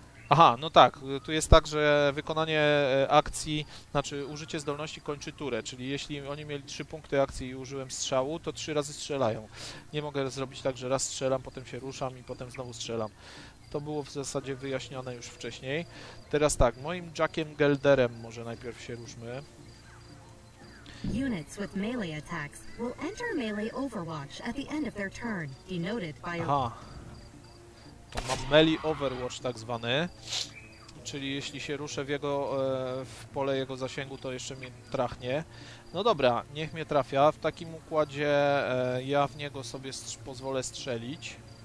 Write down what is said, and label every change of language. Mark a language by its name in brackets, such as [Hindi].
[Polish] Aha, no tak, tu jest tak, że wykonanie akcji, znaczy użycie zdolności kończy turę, czyli jeśli oni mieli 3 punkty akcji i użyłem strzału, to 3 razy strzelają. Nie mogę zrobić tak, że raz strzelam, potem się ruszam i potem znowu strzelam. To było w zasadzie wyjaśnione już wcześniej. Teraz tak, moim Jackiem Gelderem może najpierw się ruszmy. [English] Units with melee attacks will enter melee overwatch at the end of their turn, denoted by... [Polish] Aha. To mam melee overwatch tak zwany, czyli jeśli się ruszę w jego, w pole jego zasięgu, to jeszcze mnie trachnie. No dobra, niech mnie trafia. W takim układzie ja w niego sobie pozwolę strzelić.